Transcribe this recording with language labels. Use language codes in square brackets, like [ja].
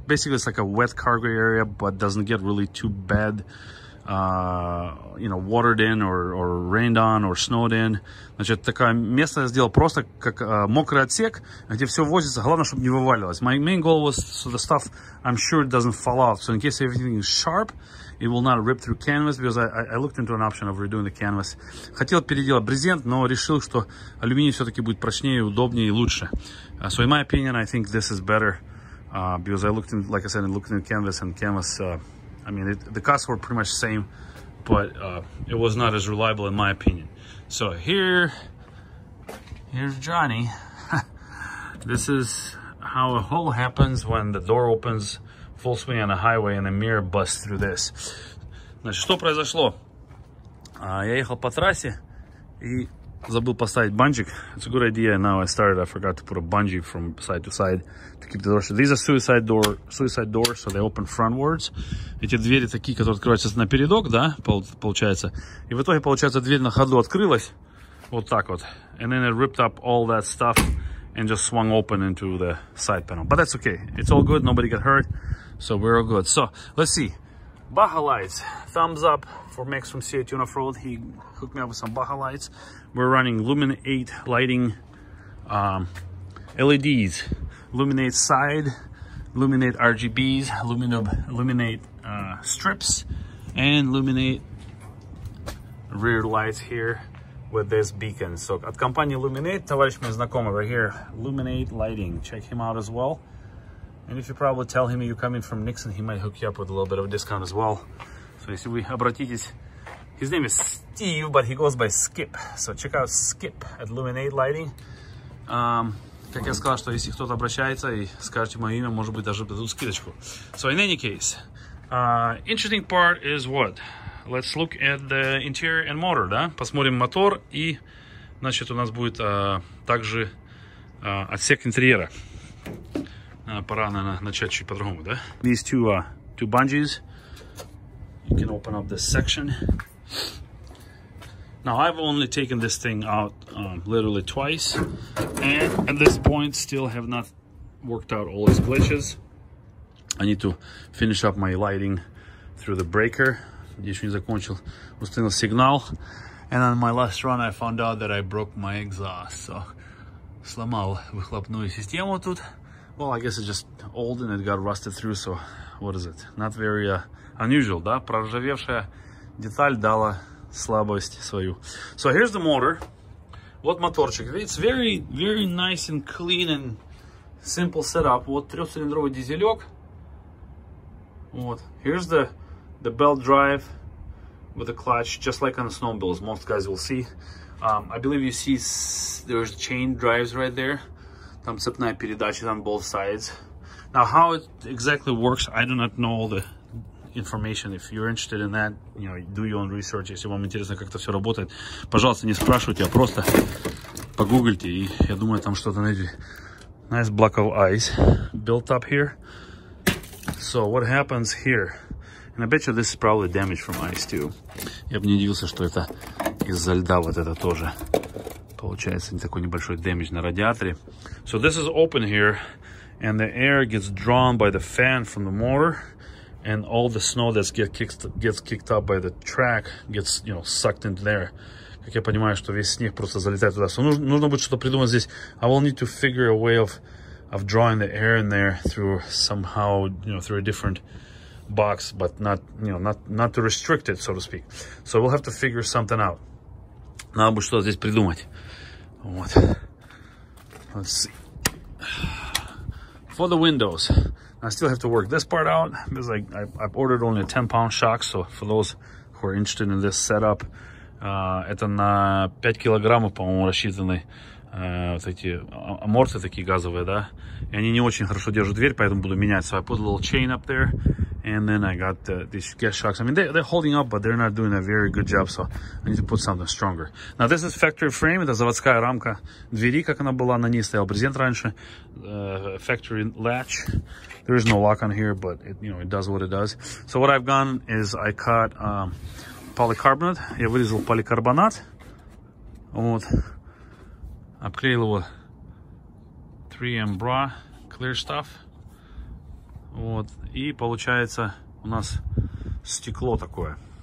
[en] Basically, it's like a wet cargo area, but doesn't get really too bad, watered in or rained on or snowed in. [ru] Значит, такое место я сделал просто как мокрый отсек, где все возится. Главное, чтобы не вывалилось. [en] My main goal was so the stuff I'm sure it doesn't fall out. So in case everything is sharp, it will not rip through canvas, because I looked into an option of redoing the canvas. [ru] Хотел переделать брезент, но решил, что алюминий все-таки будет прочнее, удобнее и лучше. [en] So in my opinion, I think this is better, because I looked in, like I said, I looked in the canvas, and canvas, I mean, the costs were pretty much the same, but it was not as reliable in my opinion. So here's Johnny. This is how a hole happens when the door opens full swing on a highway and a mirror busts through this. [ru] Значит, что произошло? Я ехал по трассе и забыл поставить банджик. [en] It's a good idea. Now I started, I forgot to put a bungee from side to side to keep the door. So these are suicide doors, so they open frontwards. [ru] Эти двери такие, которые открываются напередок, да, получается. И в итоге, получается, дверь на ходу открылась. Вот так вот. [en] And then it ripped up all that stuff and just swung open into the side panel. But that's okay. It's all good. Nobody got hurt. So we're all good. So let's see. Baja lights. Thumbs up for Max from CA Tune Off Road. He hooked me up with some Baja lights. We're running Lumen 8 lighting LEDs. Lumen 8 side, Lumen 8 RGBs, Lumen 8 strips, and Lumen 8 rear lights here with this beacon. So [ru] от компании [en] Lumen 8, [ru] товарищ мой знакомый [en] right here, Lumen 8 lighting. Check him out as well. And if you probably tell him you're coming from Nixon, he might hook you up with a little bit of a discount as well. So [ru] если вы обратитесь, [en] his name is Steve, but he goes by Skip. So check out Skip at Lumen 8 Lighting. [ru] Как я сказал, что если кто-то обращается и скажет мое имя, может быть, даже дадут скидочку. [en] So in any case, interesting part is what? Let's look at the interior and motor, да? [ru] Посмотрим мотор, и, значит, у нас будет также отсек интерьера. Пора, наверное, начать чуть по-другому, да? [en] These two bungees. You can open up this section. Now, I've only taken this thing out literally twice. And at this point, still have not worked out all its glitches. I need to finish up my lighting through the breaker. [ru] Я еще не закончил установил сигнал. [en] And on my last run, I found out that I broke my exhaust. [ru] So, сломал выхлопную систему тут. [en] Well, I guess it's just old and it got rusted through, so what is it? Not very unusual, да? [ru] Проржавевшая деталь дала слабость свою. [en] So here's the motor. [ru] Вот моторчик. [en] It's very, very nice and clean and simple setup. [ru] Вот трехцилиндровый дизелек. Вот. [en] Here's the belt drive with a clutch, just like on the snowmobiles. Most guys will see. I believe you see there's chain drives right there. [ru] Там цепная передача [en] on both sides. Now, how it exactly works, I do not know all the information. If you're interested in that, you know, do your own research. [ru] Если вам интересно, как это все работает, пожалуйста, не спрашивайте, а просто погуглите, и я думаю, там что-то найдете. [en] Nice block of ice built up here. So, what happens here? And I bet you this is probably damage from ice, too. [ru] Я бы не удивился, что это из-за льда вот это тоже. Получается, не такой небольшой damage на радиаторе. [en] So this is open here, and the air gets drawn by the fan from the motor, and all the snow that gets kicked up by the track gets, you know, sucked into there. [ru] Как я понимаю, что весь снег просто залетает туда. So нужно будет что-то придумать здесь. [en] I will need to figure a way of drawing the air in there through somehow, you know, through a different box, but not, you know, not to restrict it, so to speak. So we'll have to figure something out. [ru] Надо будет что-то здесь придумать. [en] Вот. Let's see. For the windows, I still have to work this part out, because I've ordered only a 10-pound shock, so for those who are interested in this setup, [ru] это на 5 килограммов, по-моему, рассчитанный вот эти аморты такие газовые, да, и они не очень хорошо держат дверь, поэтому буду менять. [en] So I put a little chain up there, and then I got these guest shocks. I mean, they're holding up, but they're not doing a very good job, so I need to put something stronger. Now this is factory frame, [ru] это заводская рамка двери, как она была, на ней стоял брезент раньше. [en] Factory latch. There is no lock on here, but it, you know, it does what it does. So what I've done is I cut polycarbonate. [ru] Я вырезал поликарбонат. Вот. Обклеил его 3M Bra Clear Stuff. Вот. И получается у нас стекло такое.